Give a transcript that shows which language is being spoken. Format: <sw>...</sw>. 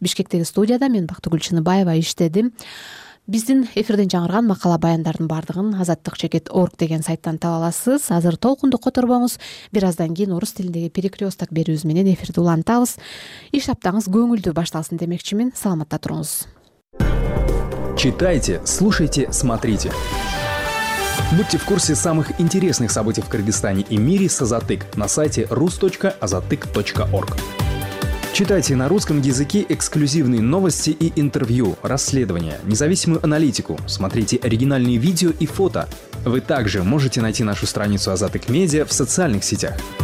<ky>Бишкектеги студияда мен Бактыгүл Чыныбаева иштедим. Биздин эфирден жаңырган макала баяндардын баардыгын Азаттык Чекит орг деген сайттан таба аласыз. Азыр толкундук которбоңуз. Бир аздан кийин орус тилиндеги перекрёсток берүүбүз менен эфирди улантабыз. Иш аптаңыз көңүлдүү башталсын демекчимин. Саламатта туруңуз.</ky> <ru>Читайте, слушайте, смотрите. Будьте в курсе самых интересных событий в Кыргызстане и мире с Азатык на сайте rus.azatyk.org. Читайте на русском языке эксклюзивные новости и интервью, расследования, независимую аналитику, смотрите оригинальные видео и фото. Вы также можете найти нашу страницу Азатык Медиа в социальных сетях.</ru>